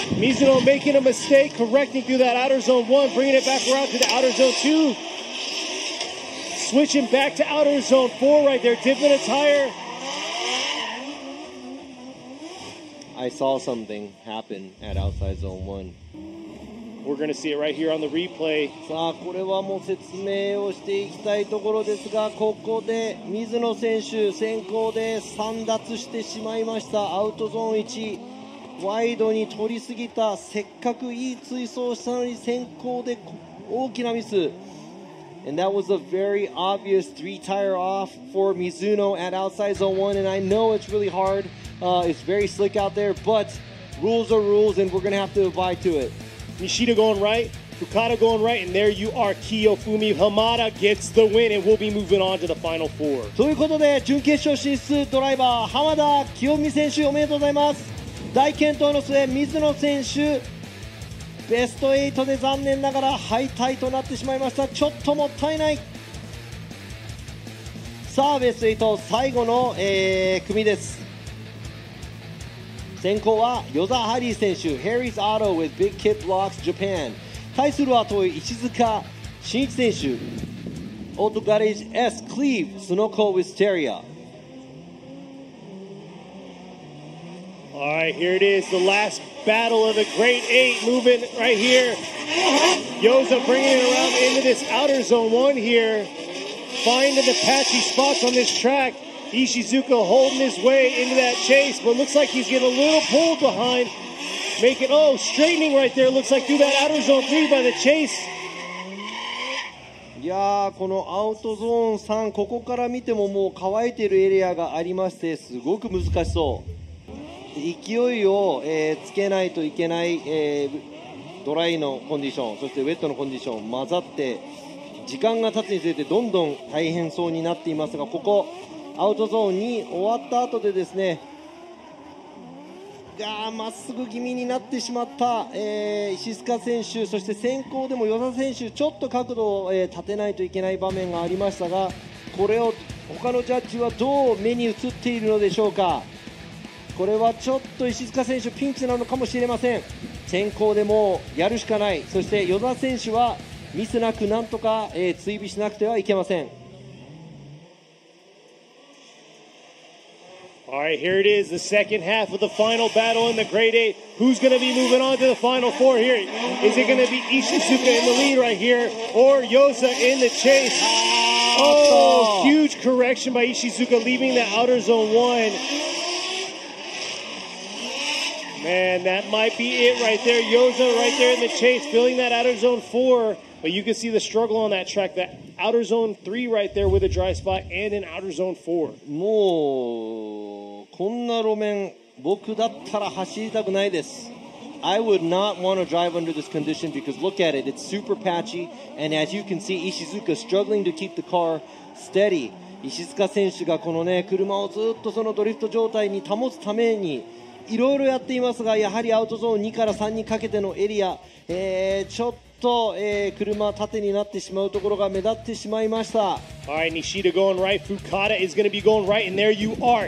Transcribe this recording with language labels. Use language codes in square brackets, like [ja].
[en] Mizuno making a mistake, correcting through that outer zone 1, bringing it back around to the outer zone 2. Switching back to outer zone 4 right there, dipping a tire. I saw something happen at outside zone 1. We're going to see it right here on the replay. [ja] さあこれはもう説明をしていきたいところですが、ここで水野選手先行で散脱してしまいました。アウトゾーン1ワイドに取りすぎた、せっかくいい追走したのに先行で大きなミス。 [en] And that was a very obvious 3 tire off for Mizuno at outside zone 1. And I know it's really hard, it's very slick out there, but rules are rules and we're going to have to abide to it. Nishida going right, Fukada going right, and there you are, Kiyofumi Hamada gets the win, and we'll be moving on to the final four. [ja] ということで準決勝進出ドライバー浜田清美選手おめでとうございます。大健闘の末水野選手ベスト8で残念ながら敗退となってしまいました。ちょっともったいない。さあベスト8最後の、組です。先行はヨザハリー選手、ハリーズアート with Big Kid Blocks Japan。対するは遠い石塚慎一選手、オートガレージ S Cleve スノコ with Steria。 [en] Alright, here it is, the last battle of the Great Eight, moving right here. Yoza bringing it around into this outer zone one here, finding the patchy spots on this track. Ishizuka holding his way into that chase, but looks like he's getting a little pulled behind. Making, oh, straightening right there, looks like through that outer zone 3 by the chase. [ja] Yeah, このアウトゾーン3、ここから見てももう乾いてるエリアがありまして、すごく難しそう。勢いを、つけないといけない、ドライのコンディション、そしてウェットのコンディション混ざって、時間が経つにつれてどんどん大変そうになっていますが、ここ、アウトゾーン2終わった後でですね、がまっすぐ気味になってしまった、石塚選手、そして先行でも与田選手、ちょっと角度を、立てないといけない場面がありましたが、これを他のジャッジはどう目に映っているのでしょうか。これはちょっと石塚選手ピンチなのかもしれません。先行でもやるしかない、そして与田選手はミスなくなんとか、追尾しなくてはいけません。 [en] Alright, here it is, the second half of the final battle in the Grade 8. Who's going to be moving on to the final four here? Is it going to be Ishizuka in the lead right here, or Yosa in the chase? Oh, huge correction by Ishizuka, leaving the outer zone 1. Man, that might be it right there. Yosa right there in the chase, filling that outer zone 4. But you can see the struggle on that track, that outer zone 3 right there with a dry spot and an outer zone 4. [ja] もうこんな路面僕だったら走りたくないです。 [en] I would not want to drive under this condition because look at it, it's super patchy, and as you can see, Ishizuka struggling to keep the car steady. [ja] 石塚選手がこのね車をずっとそのドリフト状態に保つためにいろいろやっていますが、やはりアウトゾーン2から3にかけてのエリア、ちょっと、車縦になってしまうところが目立ってしまいました。 [en] All right, Nishida going right. Fukada is going to be going right. And there you are.